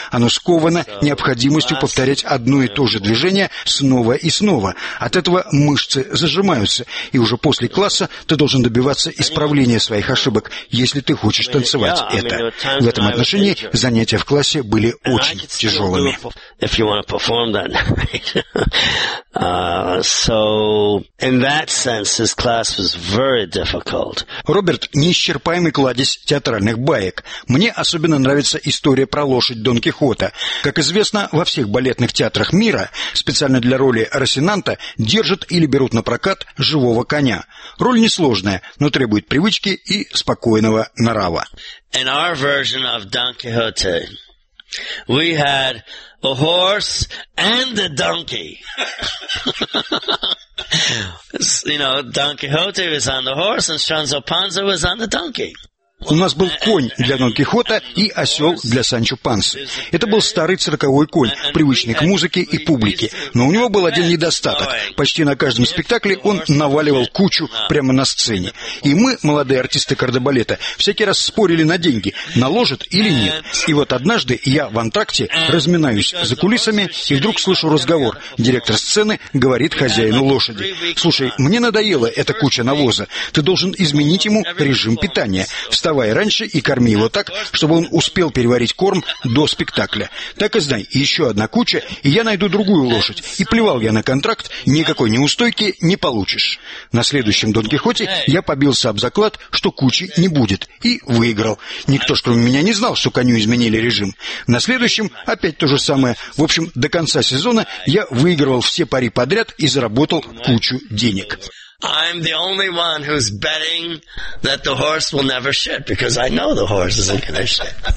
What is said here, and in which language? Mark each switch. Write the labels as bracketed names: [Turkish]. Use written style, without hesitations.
[Russian] Оно сковано необходимостью повторять одно и то же движение снова и снова. От этого мышцы зажимаются. И уже после класса ты должен добиваться исправления своих ошибок, если ты хочешь танцевать это. В этом отношении занятия в классе были очень тяжелыми. [English] If you want to perform that night. So in that sense, this class was very difficult. [Russian] Роберт, неисчерпаемый кладезь театральных баек. Мне особенно нравится история про лошадь Дон Кихота. Как известно, во всех балетных театрах мира специально для роли Росинанта держат или берут на прокат живого коня. Роль несложная, но требует привычки и спокойного нрава. [English] In our version of Don Quixote, we had a horse and a donkey. You know, Don Quixote was on the horse and Sancho Panza was on the donkey. [Russian] У нас был конь для Дон Кихота и осел для Санчо Панса. Это был старый цирковой конь, привычный к музыке и публике. Но у него был один недостаток. Почти на каждом спектакле он наваливал кучу прямо на сцене. И мы, молодые артисты кардебалета, всякий раз спорили на деньги, наложит или нет. И вот однажды я в антракте разминаюсь за кулисами и вдруг слышу разговор. Директор сцены говорит хозяину лошади: «Слушай, мне надоела эта куча навоза. Ты должен изменить ему режим питания. Вставай раньше и корми его так, чтобы он успел переварить корм до спектакля. Так и знай, еще одна куча, и я найду другую лошадь. И плевал я на контракт, никакой неустойки не получишь». На следующем Дон Кихоте я побился об заклад, что кучи не будет, и выиграл. Никто ж, кроме меня, не знал, что коню изменили режим. На следующем опять то же самое. В общем, до конца сезона я выигрывал все пари подряд и заработал кучу денег. [English] I'm the only one who's betting that the horse will never shit, because I know the horse isn't going to shit.